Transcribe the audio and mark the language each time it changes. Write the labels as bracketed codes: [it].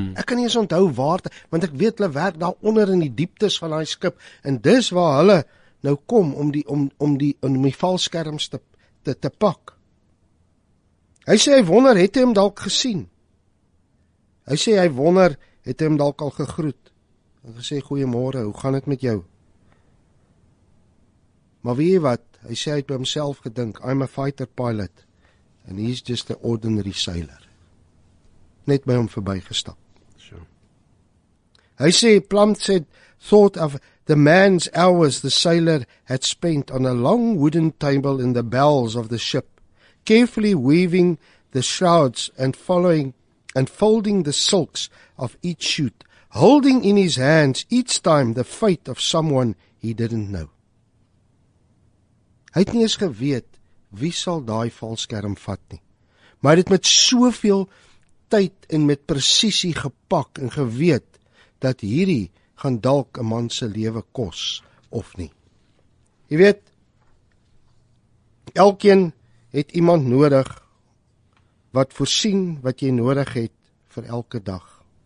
[af] Ek kan nie eens onthou waar, want ek weet hulle werk daar onder in die dieptes van die skip, en dis waar hulle nou kom om die valskerms te pak. Hy sê, hy wonder, het hy hem dalk gesien? Hy sê, hy wonder, het hy hem dalk al gegroet? En hy sê, goeiemôre, hoe gaan het met jou? Maar weet jy wat, hy sê, hy het by homself gedink, [en] I'm a fighter pilot, and he's just an ordinary sailor. [af] Net by hom verby gestap. So. Hy sê, [en] Plum said, thought of the man's hours the sailor had spent on a long wooden table in the bowels of the ship, carefully weaving the shrouds and folding the silks of each suit, holding in his hands each time the fate of someone he didn't know. [af] Hy het nie eens geweet wie sal daai valskerm vat nie. Maar hy het met soveel tyd en met presisie gepak en geweet dat hierdie gaan dalk 'n man se lewe kos of nie. Jy weet, elkeen het iemand nodig wat voorsien wat jy nodig het vir elke dag.